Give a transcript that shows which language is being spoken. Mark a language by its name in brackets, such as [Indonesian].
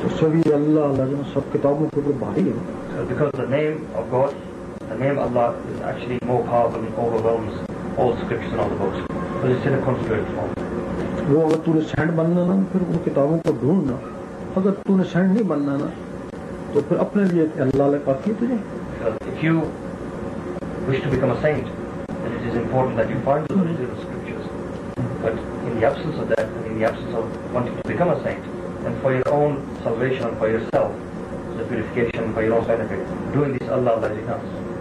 [Urdu] تو سبھی اللہ اللہ جو سب کتابوں کے اوپر بھاری ہے، [English] Because the name of God, the name Allah is actually more powerful and overwhelms all scriptures and all the books, but it's in a concentrated form. [Urdu] وہ اگر تو نے سینڈ بننا نا پھر ان کتابوں کو ڈھونڈنا, اگر تو نے سینڈ نہیں بننا نا تو پھر اپنے لیے اللہ لے کافی ہے تجھے. [English] If you wish to become a saint, then it is important that you find the original scriptures. But in the absence of that, in the absence of wanting to become a saint, then for your own salvation, for yourself, the purification, for your own benefit, doing this Allah Allah becomes.